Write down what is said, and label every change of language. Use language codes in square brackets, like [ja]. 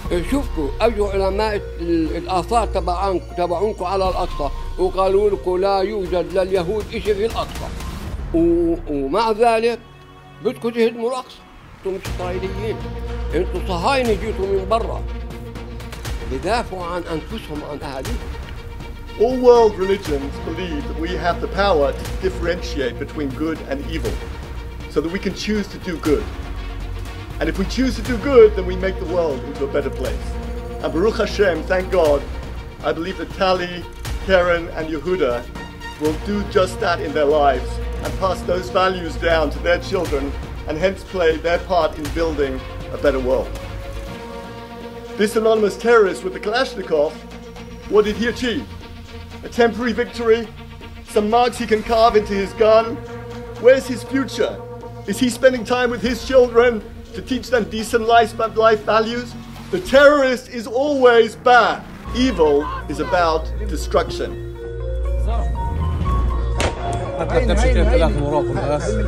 [ar] شوفكم اجوا علماء الاثار تبعونكم على الاقصى وقالوا لكم لا يوجد لليهود اشي في الاقصى ومع ذلك بدكم تهدموا الاقصى انتم مش اسرائيليين انتم صهاينه جيتوا من برا بدافعوا عن انفسهم وعن اهاليهم. [en] All world religions believe that we have the power to differentiate between good and evil so that we can choose to do good. And if we choose to do good, then we make the world into a better place. And Baruch Hashem, thank God, I believe that Tali, Karen, and Yehuda will do just that in their lives and pass those values down to their children and hence play their part in building a better world. This anonymous terrorist with the Kalashnikov, what did he achieve? A temporary victory? Some marks he can carve into his gun? Where's his future? Is he spending time with his children to teach them decent life values? The terrorist is always bad. Evil is about destruction. [ar] حتى تمشي كيف ثلاث مراقب بس